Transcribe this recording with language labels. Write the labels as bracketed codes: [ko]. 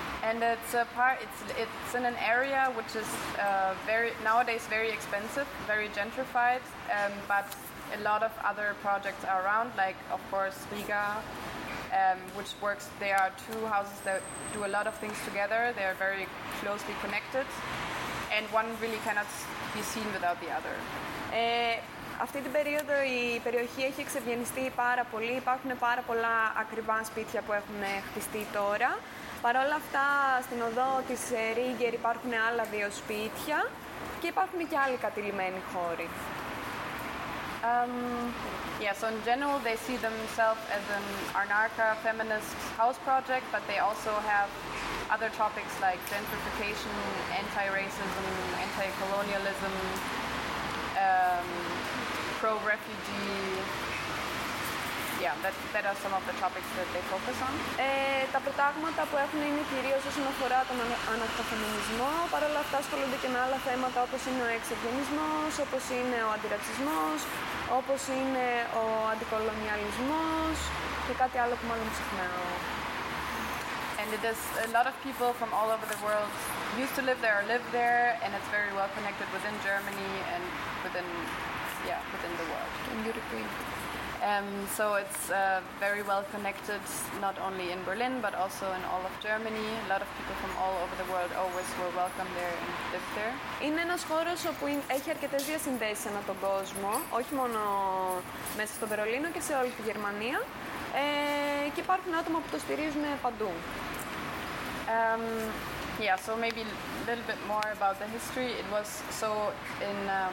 [en] And it's in an area which is nowadays very expensive, very gentrified, but a lot of other projects are around, like of course Riga, which works. There are two houses that do a lot of things together. They are very closely connected, and one really cannot be seen without the other. [el] Αυτή την περίοδο η περιοχή έχει εξευγενιστεί πάρα πολύ. Υπάρχουν πάρα πολλά ακριβά σπίτια που έχουν χτιστεί τώρα. Παρ' όλα αυτά, στην οδό της Ρίγκερ υπάρχουν άλλα δύο σπίτια και υπάρχουν και άλλοι κατηλημένοι χώροι. [en] Yeah, so in general they see themselves as an anarcho-feminist house project, but they also have other topics like gentrification, anti-racism, anti-colonialism, pro-refugee. Yeah, that are some of the topics that they focus on. [el] Τα προτάγματα που έχουν είναι κυρίως όσον αφορά τον αναρχοφεμινισμό. Παρ' όλα αυτά ασχολούνται και με άλλα θέματα όπως είναι ο εξευγενισμός, όπως είναι ο αντιρατσισμός, όπως είναι ο αντικολονιαλισμός και κάτι άλλο που μάλλον ξεχνάω. [en] And there's a lot of people from all over the world used to live there or live there, and it's very well connected within Germany and within the world. In Europe. So it's very well connected, not only in Berlin, but also in all of Germany. A lot of people from all over the world always were welcome there and lived there. [el] Είναι ένας χώρος όπου έχει αρκετές διασυνδέσεις ανά τον κόσμο, όχι μόνο μέσα στο Βερολίνο και σε όλη τη Γερμανία. Και υπάρχουν άτομα που το στηρίζουν παντού. [en] Yeah, so maybe a little bit more about the history. It was so in...